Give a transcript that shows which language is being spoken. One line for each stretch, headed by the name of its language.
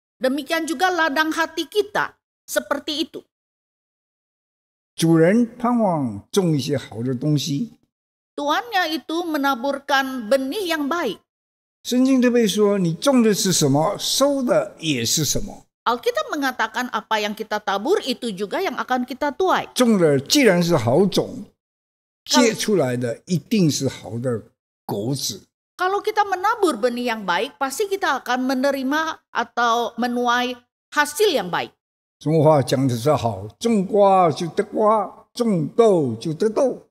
Indonesian: Demikian juga ladang hati kita seperti itu.
Chinese: 主人盼望种一些好的东西。
Indonesian: Tuannya itu menaburkan benih yang baik.
Chinese: 圣经特别说，你种的是什么，收的也是什么。
Indonesian: Alkitab mengatakan apa yang kita tabur itu juga yang akan kita tuai.
Chinese: 种的既然是好种, 结出来的一定是好的果子。
Indonesian: Kalau kita menabur benih yang baik, pasti kita akan menerima atau menuai hasil yang baik.
Chinese: 中华讲的是好，种瓜就得瓜，种豆就得豆。